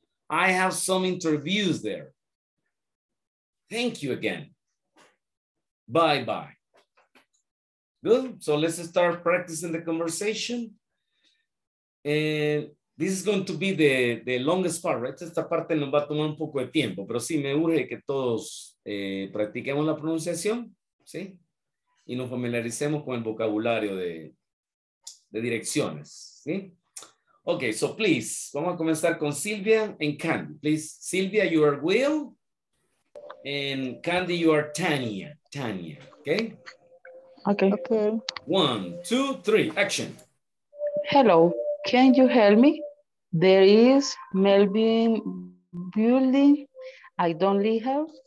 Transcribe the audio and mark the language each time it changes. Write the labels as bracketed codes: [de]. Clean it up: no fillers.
[en] I have some interviews there. Thank you again. Bye bye. Good. So let's start practicing the conversation. And this is going to be the longest part, right? [es] Esta parte nos va a tomar un poco de tiempo, pero sí me urge que todos practiquemos la pronunciación, ¿sí? Y nos familiaricemos con el vocabulario de direcciones, ¿sí? [en] Ok, so please, [es] vamos a comenzar con Silvia and Candy. [en] Please, Silvia, you are Will, and Candy, you are Tania, ¿ok? Ok. Okay. One, two, three, action. Hello. Can you help me? There is Melbourne building. I don't live here.